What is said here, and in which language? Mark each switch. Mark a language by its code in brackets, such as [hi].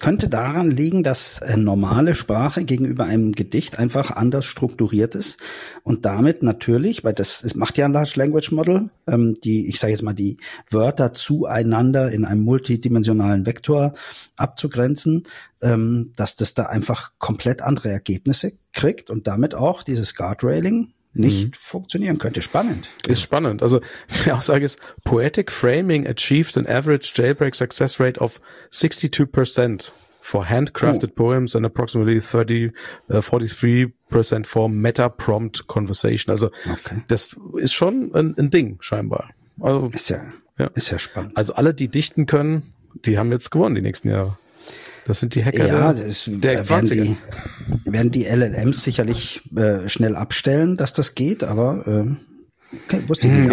[de] Könnte daran liegen, dass normale Sprache gegenüber einem Gedicht einfach anders strukturiert ist und damit natürlich, weil das macht ja ein Large Language Model, ich sage jetzt mal, die Wörter zueinander in einem multidimensionalen Vektor abzugrenzen, dass das da einfach komplett andere Ergebnisse kriegt und damit auch dieses Guardrailing nicht funktionieren könnte. Spannend. Ist spannend. Also die Aussage ist, [en] Poetic Framing achieved an average jailbreak success rate of 62% for handcrafted poems and approximately 43% for meta prompt conversation. [de] Also Okay. das ist schon ein Ding, scheinbar. Also Ist ja spannend. alle, die dichten können, die haben jetzt gewonnen die nächsten Jahre. Das sind die Hacker Ja, der Zwanziger. werden die LLMs sicherlich schnell abstellen, dass das geht, aber okay, wusste ich nicht.